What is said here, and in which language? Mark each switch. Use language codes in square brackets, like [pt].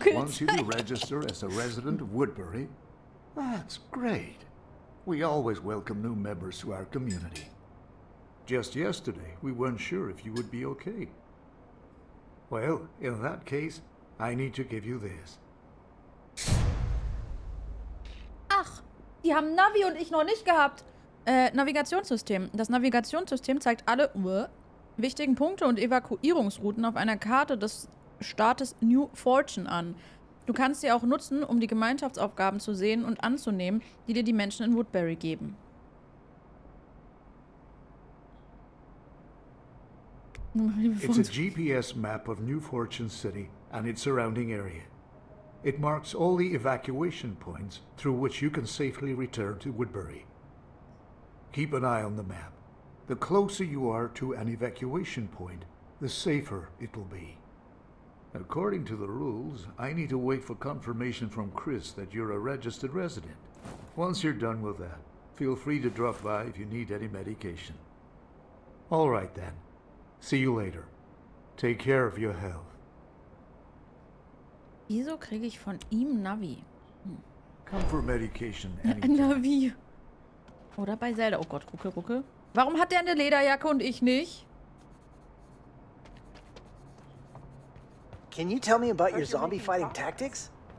[en] Chris wants you to register as a resident of Woodbury. That's great. We always welcome new members to our community. Just yesterday, we weren't sure if you would be okay. Well, in that case, I need to give you this. [de] Ach, die haben Navi und ich noch nicht gehabt. Navigationssystem. Das Navigationssystem zeigt alle wichtigen Punkte und Evakuierungsrouten auf einer Karte des Staates New Fortune an. Du kannst sie auch nutzen, um die Gemeinschaftsaufgaben zu sehen und anzunehmen, die dir die Menschen in Woodbury geben. [en] It's a GPS map of New Fortune City and its surrounding area. It marks all the evacuation points through which you can safely return to Woodbury. Keep an eye on the map. The closer you are to an evacuation point, the safer it will be. According to the rules, I need to wait for confirmation from Chris that you're a registered resident. Once you're done with that, feel free to drop by if you need any medication. All right then. See you later. Take care of your health. [de] Wieso kriege ich von ihm Navi? [en] Come for medication. [de] Navi. Oder bei Zelda. Oh Gott, gucke, gucke. Warum hat der eine Lederjacke und ich nicht? [en] Can you tell me about your zombie fighting tactics?